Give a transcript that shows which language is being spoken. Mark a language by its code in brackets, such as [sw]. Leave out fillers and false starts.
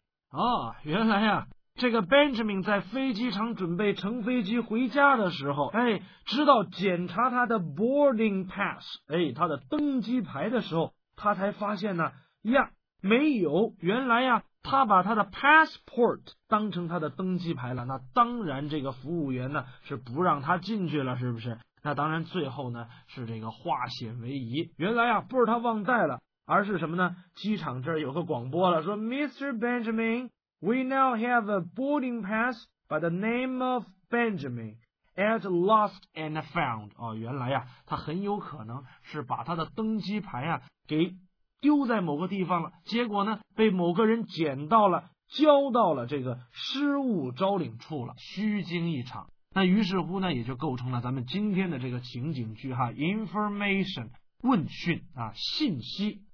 [zh] 哦，原来啊，这个 Benjamin 在飞机场准备乘飞机回家的时候，哎，直到检查他的 boarding pass， 哎，他的登机牌的时候，他才发现呢，呀，没有，原来呀，他把他的 passport 当成他的登机牌了，那当然这个服务员呢是不让他进去了，是不是？那当然最后呢是这个化险为夷，原来啊不是他忘带了，而是什么呢，机场这儿有个广播了，说 Mr. [en] Benjamin, we now have a boarding pass by the name of Benjamin at Lost and Found。 [zh] 哦，原来啊他很有可能是把他的登机牌啊给丢在某个地方了，结果呢被某个人捡到了，交到了这个失物招领处了，虚惊一场。那于是乎呢也就构成了咱们今天的这个情景剧哈 information 问讯啊信息。